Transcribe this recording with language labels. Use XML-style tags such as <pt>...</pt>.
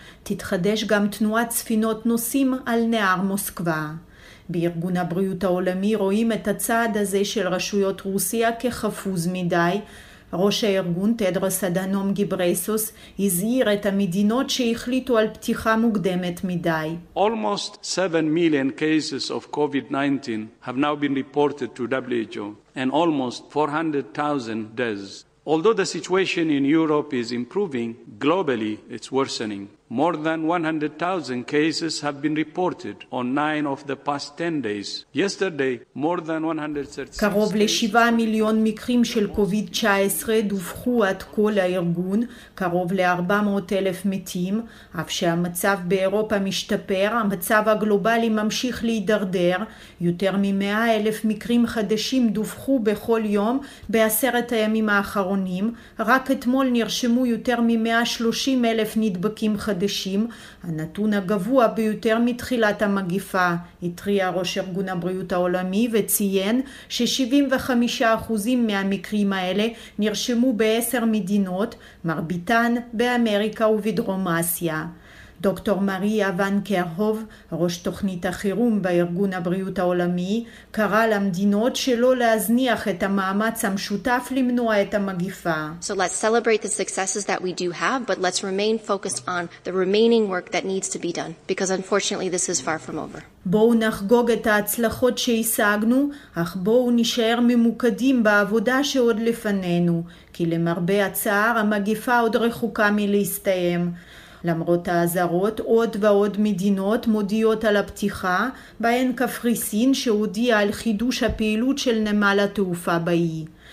<he>תתחדש גם תנועת ספינות נוסעים על נהר מוסקבה. בארגון הבריאות העולמי רואים את הצעד הזה של רשויות רוסיה כחפוז מדי, ראש הארגון טדרוס אדהנום גבריסוס הזהיר את המדינות שהחליטו על פתיחה מוקדמת מדי.</he> <en>Almost 7 million cases of COVID-19 have now been reported to WHO and almost 400,000 deaths. Although the situation in Europe is improving, globally it's worsening. More than 100,000 cases have been reported on 9 of the past 10 days. Yesterday, more than 136</en> <he>קרוב ל-7 מיליון מקרים של COVID-19 דווחו עד כה לארגון, קרוב ל-400,000 מתים. אף שהמצב באירופה משתפר, המצב הגלובלי ממשיך להידרדר. יותר מ-100,000 מקרים חדשים דווחו בכל יום בעשרת הימים האחרונים. רק אתמול נרשמו יותר מ-130,000 נדבקים חדשים. חדשים, הנתון הגבוה ביותר מתחילת המגיפה, התריע ראש ארגון הבריאות העולמי וציין ש-75% מהמקרים האלה נרשמו ב-10 מדינות, מרביתן באמריקה ובדרום אסיה. דוקטור מריה ון קרהוב, ראש תוכנית החירום בארגון הבריאות העולמי, קרא למדינות שלא להזניח את המאמץ המשותף למנוע את המגיפה.</he> <en>So let's celebrate the successes that we do have, but let's remain focused on the remaining work that needs to be done, because unfortunately this is far from over.</en> <he>בואו נחגוג את ההצלחות שהשגנו, אך בואו נישאר ממוקדים בעבודה שעוד לפנינו, כי למרבה הצער המגיפה עוד רחוקה מלהסתיים. למרות האזהרות, עוד ועוד מדינות מודיעות על הפתיחה, בהן קפריסין שהודיע על חידוש הפעילות של נמל התעופה באי.</he>